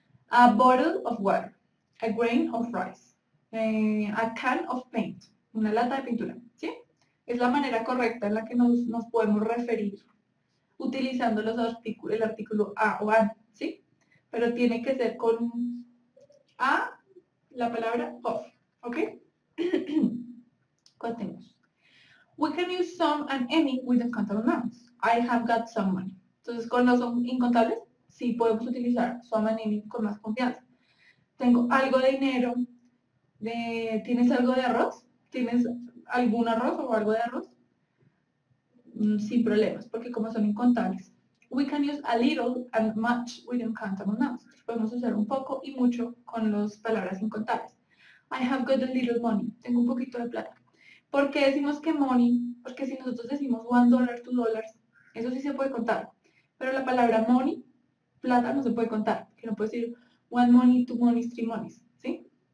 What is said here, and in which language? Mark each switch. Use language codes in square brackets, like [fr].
[en] A bottle of water, a grain of rice, a can of paint, [es] una lata de pintura, ¿sí? Es la manera correcta en la que nos podemos referir utilizando los artículos, el artículo a o an, ¿sí? Pero tiene que ser con a, la palabra of, ¿ok? Continuamos. [en] We can use some and any with uncountable nouns. I have got some money. [es] Entonces, con los incontables, sí podemos utilizar [en] some and any [es] con más confianza. Tengo algo de dinero, ¿tienes algo de arroz? ¿Tienes algún arroz o algo de arroz? Sin problemas, porque como son incontables. [en] We can use a little and much with uncountable nouns. [es] Podemos usar un poco y mucho con las palabras incontables. [en] I have got a little money. [es] Tengo un poquito de plata. ¿Por qué decimos que money? Porque si nosotros decimos $1, $2, eso sí se puede contar. Pero la palabra money, plata, no se puede contar. Que no puede decir [en] one money, two money, three monies, [es] ¿sí?